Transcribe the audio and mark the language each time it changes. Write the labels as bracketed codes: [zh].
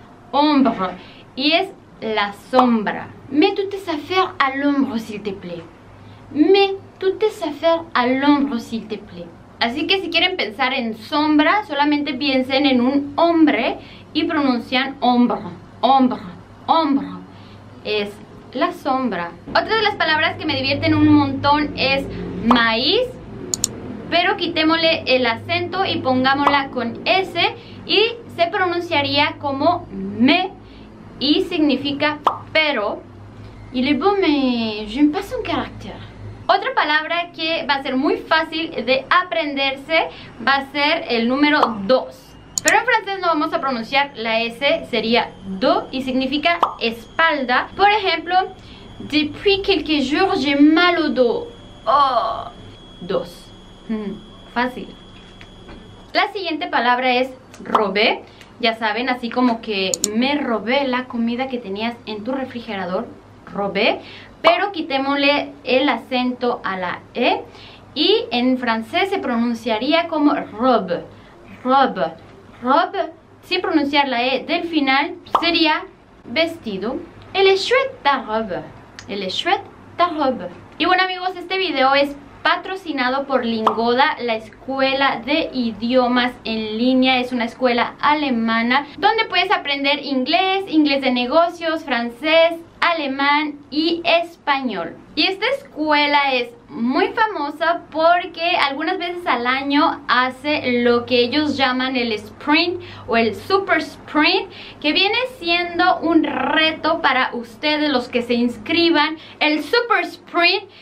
[es] Ombre. Y es la sombra. [fr] Mets toutes tes affaires à l'ombre, s'il te plaît. Mets toutes tes affaires à l'ombre, s'il te plaît. [es] Así que si quieren pensar en sombra, solamente piensen en un hombre y pronuncian ombre, ombre, ombre. Es la sombra. Otra de las palabras que me divierten un montón es maíz. pero quitémosle el acento y pongámosla con S y se pronunciaría como me y significa pero. [fr] Il est beau, mais j'aime pas son caractère. [es] Otra palabra que va a ser muy fácil de aprenderse va a ser el número 2. Pero en francés no vamos a pronunciar la S, sería do y significa espalda. Por ejemplo, [fr] depuis quelques jours j'ai mal au dos. [es] Oh, dos. Fácil. La siguiente palabra es robé. Ya saben, así como que me robé la comida que tenías en tu refrigerador. Robé. Pero quitémosle el acento a la E. Y en francés se pronunciaría como robe. Robe. Robe. Sin pronunciar la E del final, sería vestido. [fr] Elle est chouette ta robe. Elle est chouette ta robe. [es] Y bueno, amigos, este video es patrocinado por Lingoda, la escuela de idiomas en línea. Es una escuela alemana donde puedes aprender inglés, inglés de negocios, francés, alemán y español. Y esta escuela es muy famosa porque algunas veces al año hace lo que ellos llaman el sprint o el super sprint, que viene siendo un reto para ustedes los que se inscriban, el super sprint.